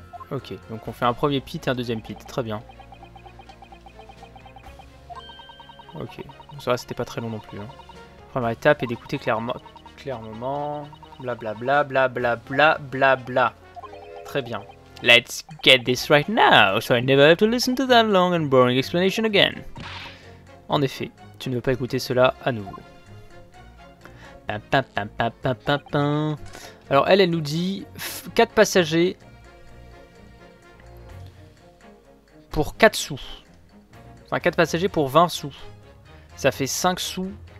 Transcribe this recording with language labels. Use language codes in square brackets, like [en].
[fr] Ok, donc on fait un premier pit et un deuxième pit. Très bien. Ok. Ça, c'était pas très long non plus. Hein. Première étape est d'écouter clairement. Clairement. Blablabla, blablabla, blablabla. Très bien. [en] Let's get this right now, so I never have to listen to that long and boring explanation again. [fr] En effet, tu ne veux pas écouter cela à nouveau. Pam, pam, pam, pam, pam, pam, pam. Alors, elle nous dit 4 passagers pour 4 sous. Enfin, 4 passagers pour 20 sous. Ça fait 5 sous.